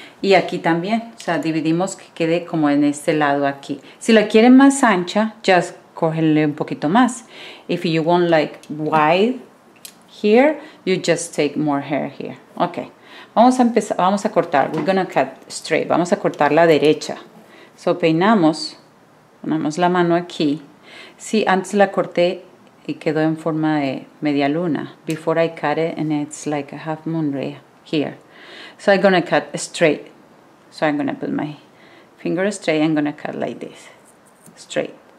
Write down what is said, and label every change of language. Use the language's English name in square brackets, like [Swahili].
[Spanish] Y aquí también, o sea, dividimos que quede como en este lado aquí. Si la quieren más ancha, just cógenle un poquito más. [English] If you want like wide here, you just take more hair here. [Spanish] Okay. Vamos a empezar, vamos a cortar, [English] we're gonna cut straight, [Spanish] vamos a cortar la derecha. So peinamos, ponemos la mano aquí. Sí, antes la corté y quedó en forma de media luna. [English] Before I cut it and it's like a half moon ray here. So I'm gonna cut straight. So I'm gonna put my finger straight, I'm gonna cut like this, straight.